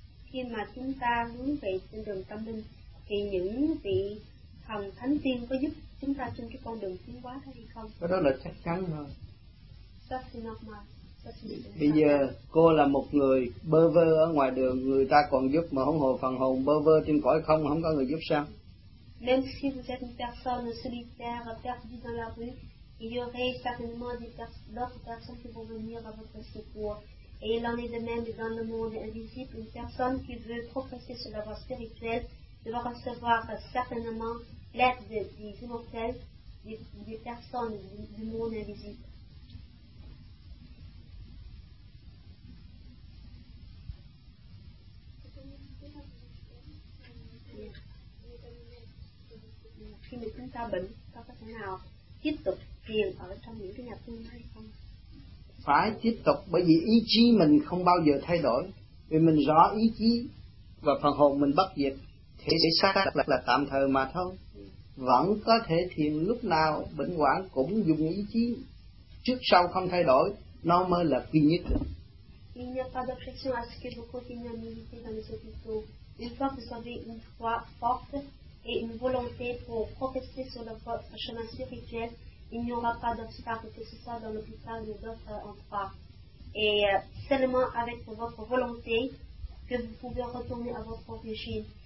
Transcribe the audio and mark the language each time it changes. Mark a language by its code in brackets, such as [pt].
[vi] Khi mà chúng ta hướng về trên đường tâm linh thì những vị thần thánh tiên có giúp chúng ta trên cái con đường tiến hóa hay không? Cái đó là chắc chắn thôi. Sắp xin học mà. Bây giờ cô là một người bơ vơ ở ngoài đường, người ta còn giúp, mà không hồ phần hồn bơ vơ trên cõi không, không có người giúp sao? [fr] Même si vous êtes une personne solitaire perdue dans la rue, il y aurait certainement d'autres personnes qui vont venir à votre secours. Et il en est de même dans le monde invisible, une personne qui veut progresser sur la voie spirituelle devra recevoir certainement l'aide des immortels, des personnes du monde invisible. [vi] Khi mà chúng ta bệnh, ta có thể nào tiếp tục thiền ở trong những cái nhà tu hay không? Phải tiếp tục, bởi vì ý chí mình không bao giờ thay đổi. Vì mình rõ ý chí và phần hồn mình bất diệt, thì xác là tạm thời mà thôi. Vẫn có thể thiền lúc nào, bệnh hoạn cũng dùng ý chí trước sau không thay đổi, nó mới là duy nhất. [fr] Il n'y a pas d'objection à ce que vous continuez à méditer dans les hôpitaux. Une fois que vous avez une foi forte et une volonté pour progresser sur le chemin spirituel, il n'y aura pas d'obstacle que ce soit dans l'hôpital ou d'autres endroits. Et seulement avec votre volonté que vous pouvez retourner à votre origine.